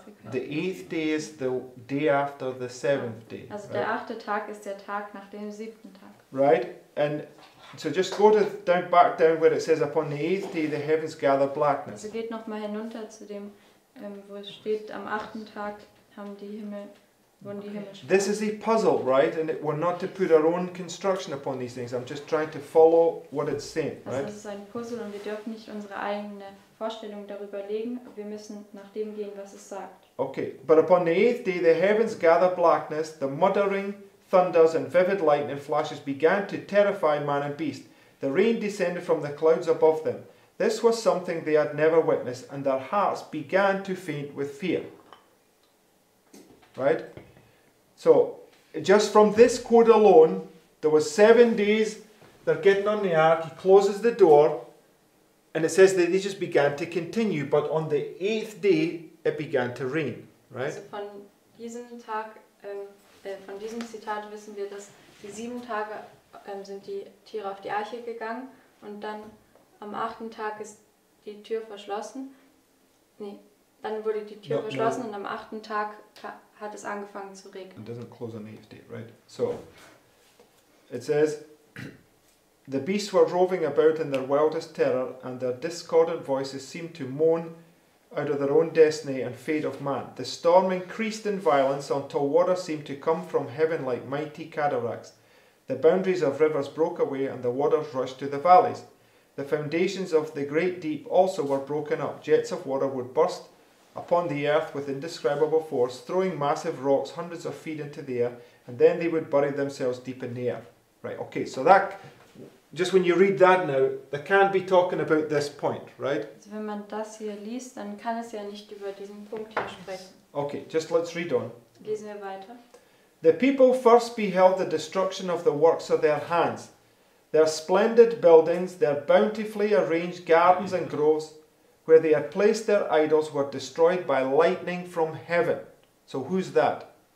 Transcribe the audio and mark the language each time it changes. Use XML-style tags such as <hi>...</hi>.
<en>The 8th day is the day after the 7th day.</en> <de>Also</de> <en>right?</en> <de>Der 8. Tag ist der Tag nach dem 7. Tag.</de> <en>Right? And so just go to down back down where it says, upon the 8th day the heavens gather blackness. Also geht nochmal hinunter zu dem, wo es steht, am 8. Tag haben die Himmel. Okay. This is a puzzle, right? And we're not to put our own construction upon these things. I'm just trying to follow what it's saying, right?</en> <de>Also, das ist ein Puzzle und wir dürfen nicht unsere eigene Vorstellung darüber legen. Wir müssen nach dem gehen, was es sagt.</de> <en>Okay, but upon the 8th day, the heavens gather blackness, the muttering thunders and vivid lightning flashes began to terrify man and beast. The rain descended from the clouds above them. This was something they had never witnessed, and their hearts began to faint with fear. Right? So, just from this quote alone, there was 7 days, they're getting on the ark, he closes the door, and it says that they just began to continue, but on the 8th day, it began to rain. Right?</en> <de>Also von diesem Tag, von diesem Zitat wissen wir, dass die 7 Tage sind die Tiere auf die Arche gegangen, und dann am 8. Tag ist die Tür verschlossen. Nee, dann wurde die Tür verschlossen, und am 8. Tag hat es angefangen zu regnen.</de> <en>It doesn't close on the 8th day, right? So, it says, The beasts were roving about in their wildest terror, and their discordant voices seemed to moan out of their own destiny and fate of man. The storm increased in violence until water seemed to come from heaven like mighty cataracts. The boundaries of rivers broke away and the waters rushed to the valleys. The foundations of the great deep also were broken up. Jets of water would burst upon the earth with indescribable force, throwing massive rocks hundreds of feet into the air, and then they would bury themselves deep in the earth. Right, okay, so that, just when you read that now, they can't be talking about this point, right?</en> <de>Also wenn man das hier liest, dann kann es ja nicht über diesen Punkt hier sprechen.</de> <en>Okay, just let's read on.</en> <de>Lesen wir weiter.</de> <en>The people first beheld the destruction of the works of their hands, their splendid buildings, their bountifully arranged gardens and groves, where they had placed their idols, were destroyed by lightning from heaven. So who's that?</en>